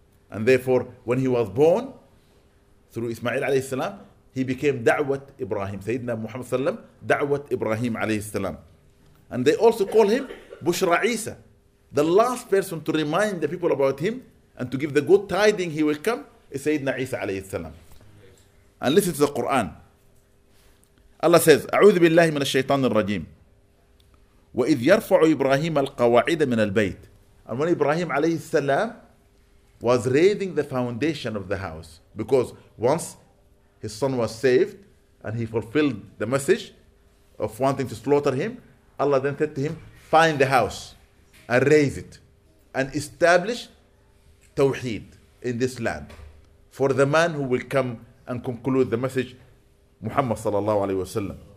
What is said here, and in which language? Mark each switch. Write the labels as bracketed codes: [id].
[en] And therefore, when he was born through Ismail alayhi salam, he became da'wat Ibrahim. Sayyidina Muhammad salam, da'wat Ibrahim alayhi salam. And they also call him Bushra Isa. The last person to remind the people about him and to give the good tidings he will come is Sayyidina Isa alayhi salam. And listen to the Quran. Allah says, [ar] أعوذ بالله من الشيطان الرجيم وإذ يرفع إبراهيم القواعد من البيت. [en] And when Ibrahim alayhi salam was raising the foundation of the house, because once his son was saved and he fulfilled the message of wanting to slaughter him, Allah then said to him, find the house and raise it and establish Tawheed in this land for the man who will come and conclude the message, Muhammad sallallahu alayhi wa sallam.